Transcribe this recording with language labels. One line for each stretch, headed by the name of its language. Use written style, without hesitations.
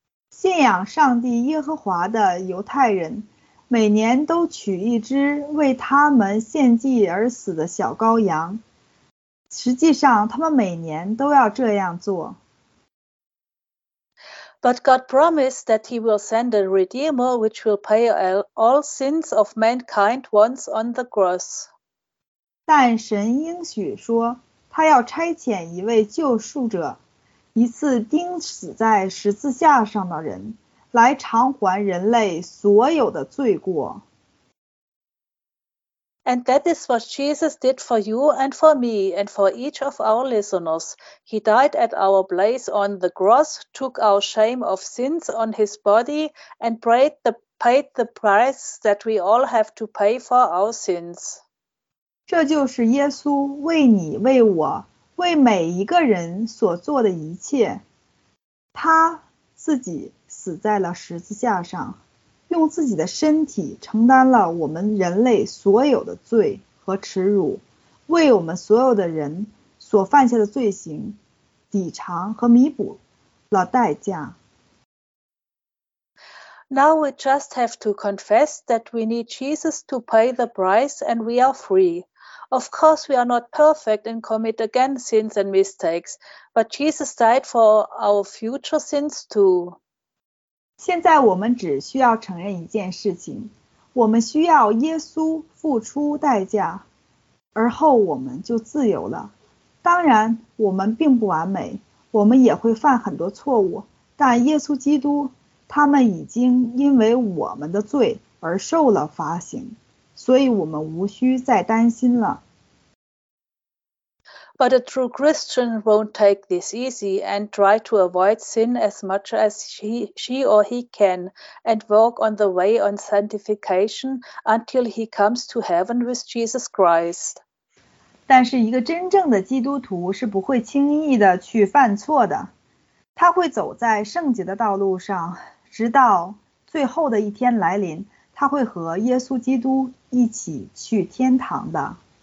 Chinese: 信仰上帝耶和华的犹太人，每年都取一只为他们献祭而死的小羔羊。实际上，他们每年都要这样做。
English: But God promised that he will send a Redeemer which will pay all sins of mankind once on the cross.
Chinese: 但神应许说，他要差遣一位救赎者，一次钉死在十字架上的人，来偿还人类所有的罪过。
English: And that is what Jesus did for you and for me and for each of our listeners. He died at our place on the cross, took our shame of sins on his body, and paid the price that we all have to pay for our sins.
Chinese: 这就是耶稣为你、为我、为每一个人所做的一切。他自己死在了十字架上。用自己的身体承担了我们人类所有的罪和耻辱，为我们所有的人所犯下的罪行抵偿和弥补了代价。
English: Now we just have to confess that we need Jesus to pay the price and we are free. Of course, we are not perfect and commit again sins and mistakes, but Jesus died for our future sins too.
Chinese: 现在我们只需要承认一件事情，我们需要耶稣付出代价，而后我们就自由了。当然，我们并不完美，我们也会犯很多错误，但耶稣基督，他们已经因为我们的罪而受了罚刑，所以我们无需再担心了。
English: But a true Christian won't take this easy and try to avoid sin as much as she or he can and walk on the way on sanctification until he comes to heaven with Jesus Christ.
Chinese: 但是一个真正的基督徒是不会轻易的去犯错的。他会走在圣洁的道路上，直到最后的一天来临，他会和耶稣基督一起去天堂的。